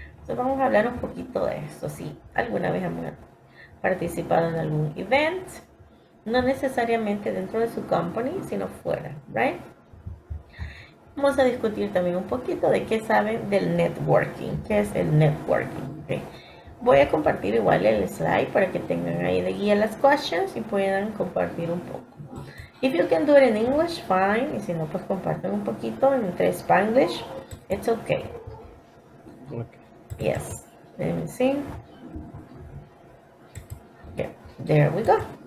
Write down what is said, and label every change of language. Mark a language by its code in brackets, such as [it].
[es] So, vamos a hablar un poquito de esto. Si alguna vez han participado en algún event, no necesariamente dentro de su company, sino fuera, right? Vamos a discutir también un poquito de qué saben del networking. ¿Qué es el networking? Ok. Voy a compartir igual el slide para que tengan ahí de guía las questions y puedan compartir un poco. [en] If you can do it in English, fine. [es] Y si no, pues compártelo un poquito entre Spanglish. [en] It's okay. Okay. Yes. Let me see. Yeah, there we go.